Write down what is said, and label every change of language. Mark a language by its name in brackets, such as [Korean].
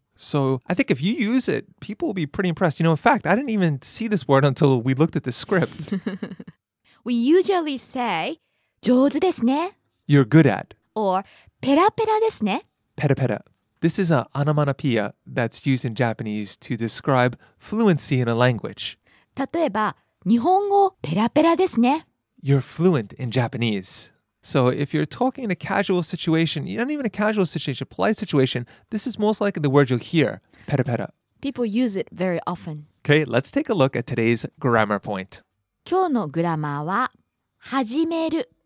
[English] So I think if you use it, people will be pretty impressed. You know, in fact, I didn't even see this word until we looked at the script. We usually say, [Japanese] 上手ですね. [English] You're good at. Or, [Japanese] ペラペラですね. ペラペラ. [English] This is an onomatopoeia that's used in Japanese to describe fluency in a language. [Japanese] 例えば、日本語ペラペラですね. [English] You're fluent in Japanese. So if you're talking in a casual situation, not even a casual situation, a polite situation, this is most likely the word you'll hear, ペラペラ. People use it very often. Okay, let's take a look at today's grammar point. [Japanese] 今日のグラマーは、始める.